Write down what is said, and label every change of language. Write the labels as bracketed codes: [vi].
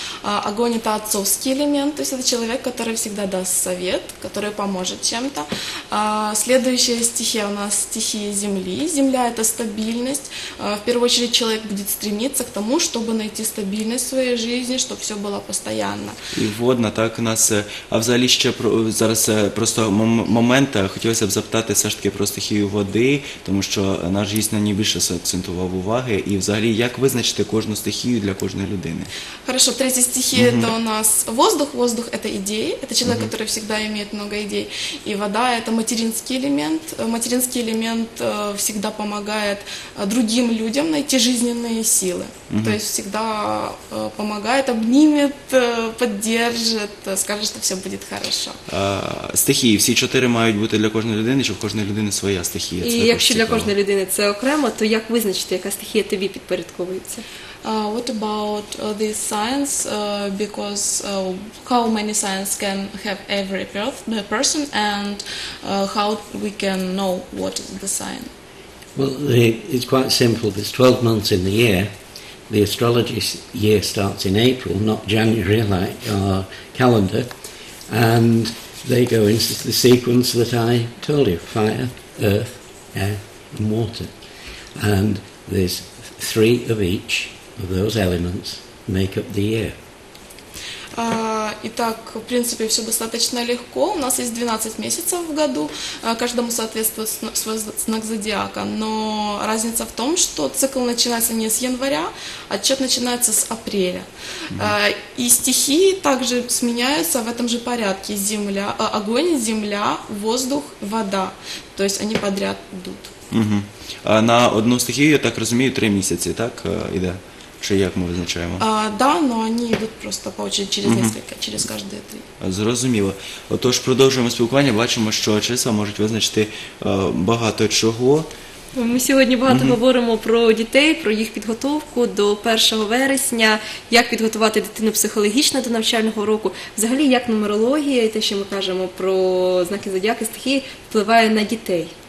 [ru] Огонь – это отцовский элемент, то есть это человек, который всегда даст совет, который поможет чем-то. Следующая стихия у нас – стихия земли. Земля – это стабильность. В первую очередь человек будет стремиться к тому, чтобы найти стабильность в своей жизни, чтобы все было постоянно. И водно, так у нас… [uk] А взагалі ще про, зараз просто момент, хотілося б запитати все ж таки про стихію води, тому що наш гість на ній більше акцентував уваги. і взагалі як визначити кожну стихію для кожної людини? Хорошо, третя стихія – це у нас воздух. Воздух – це ідеї, це чоловік, який завжди має багато ідей. І вода – це материнський елемент. Материнський елемент завжди допомагає другим людям знайти життєві сили. Тобто завжди допомагає, обніме, підтримує, скаже, що все буде добре. Стихії, всі чотири мають бути для кожної людини, чи в кожної людини своя стихія? І якщо для кожної людини це окремо, то як визначити, яка стихія тобі підпорядковується? [en] What about these signs? Because how many signs can have every person, and how we can know what is the sign? Well, it's quite simple. There's 12 months in the year. The astrology's year starts in April, not January like our calendar, and they go in the sequence that I told you: fire, earth, air, and water. And there's three of each of those elements make up the year. [uk] І так, в принципі, все достатньо легко. У нас є 12 місяців в году, кожному відповідає свій знак зодіака. Но різниця в тому, що цикл починається не з января, а отчет починається з апреля. І стихії також зміняються в цьому ж порядку: земля, огонь, земля, воздух, вода. Тобто вони підряд йдуть. Угу. А на одну стихію, я так розумію, 3 місяці, так, іде? Чи як ми визначаємо? [ru] Да, но они идут просто по очереди через несколько, через каждые три. [uk] Зрозуміло. Отож, продовжуємо спілкування, бачимо, що числа можуть визначити багато чого. Ми сьогодні багато говоримо про дітей, про їх підготовку до 1 вересня, як підготувати дитину психологічно до навчального року. Взагалі, як нумерологія і те, що ми кажемо про знаки зодіаки, стихії, впливає на дітей?